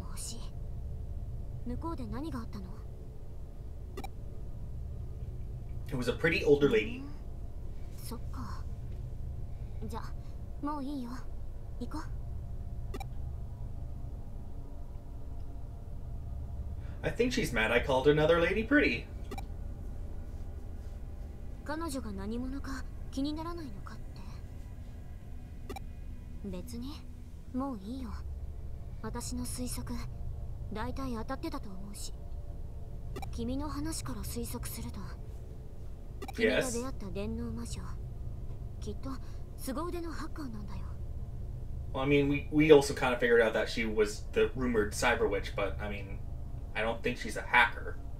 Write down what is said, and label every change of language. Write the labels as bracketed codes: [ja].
[ja] どこに行ってたの?わからないで送ったのかって。私だって行きたかったけど、弾かれてダメだったんだもん。君の足跡も途中で追えなくなっちゃったし、後で君のログ頂戴解析してみる。でも君の目を介した主観的なデータも欲しい。向こうで何があったの? [en] It was a pretty older lady. [ja] そっか。じゃ、もういいよ。行こう。 [en] I think she's mad I called another lady pretty. [ja] 彼女が何者か気にならないのかって。別に、もういいよ。私の推測、大体当たってたと思うし。君の話から推測すると。 [en] Yes. Well, I mean, we also kind of figured out that she was the rumored cyber witch, but I mean, I don't think she's a hacker.